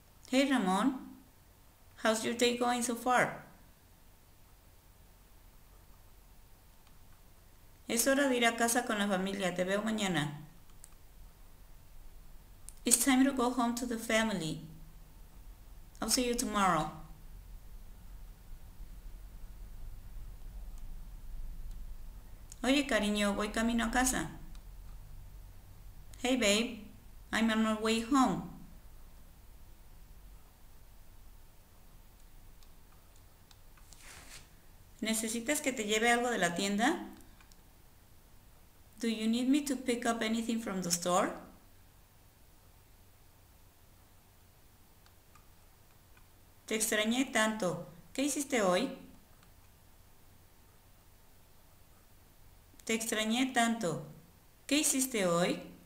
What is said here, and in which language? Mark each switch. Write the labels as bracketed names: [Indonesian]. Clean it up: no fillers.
[English] Hey Ramón, how's your day going so far? [Spanish] Es hora de ir a casa con la familia, te veo mañana. [English] It's time to go home to the family. I'll see you tomorrow. [Spanish] Oye, cariño, voy camino a casa. [English] Hey, babe, I'm on my way home. [Spanish] ¿Necesitas que te lleve algo de la tienda? [English] Do you need me to pick up anything from the store? [Spanish] Te extrañé tanto. ¿Qué hiciste hoy? Te extrañé tanto. ¿Qué hiciste hoy?